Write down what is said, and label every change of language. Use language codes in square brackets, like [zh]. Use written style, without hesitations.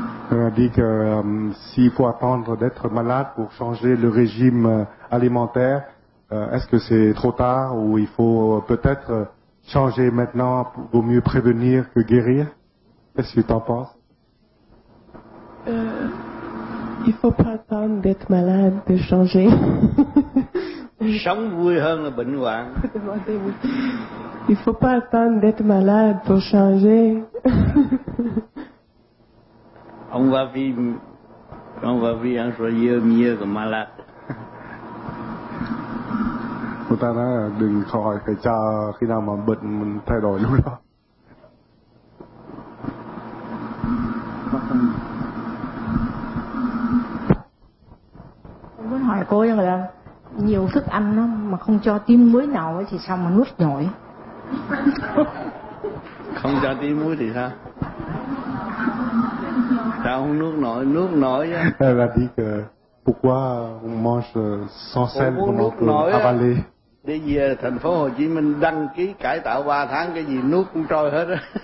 [fr] On a dit que s'il faut attendre d'être malade pour changer le régime alimentaire, est-ce que c'est trop tard ou il faut peut-être changer maintenant pour mieux prévenir que guérir? Qu'est-ce que tu en penses? Il ne faut pas attendre d'être malade, de changer. [vi] Sống vui hơn là bệnh hoạn. [fr] Il ne faut pas attendre d'être malade pour changer. On va vivre un joyeux mieux que malade. [vi] Cô ta nói là đừng khỏi phải chờ khi nào mà bệnh mình thay đổi lúc đó. Tôi muốn hỏi cô rằng là nhiều thức ăn nó mà không cho tí muối nào ấy thì sao mà nuốt nổi? Không cho tí muối thì sao? Sao không nuốt nổi? Nuốt nổi chứ. [fr] Elle a dit que pourquoi on mange sans sel comment peut avaler? [vi] Đi về thành phố Hồ Chí Minh đăng ký cải tạo 3 tháng cái gì nuốt cũng trôi hết á.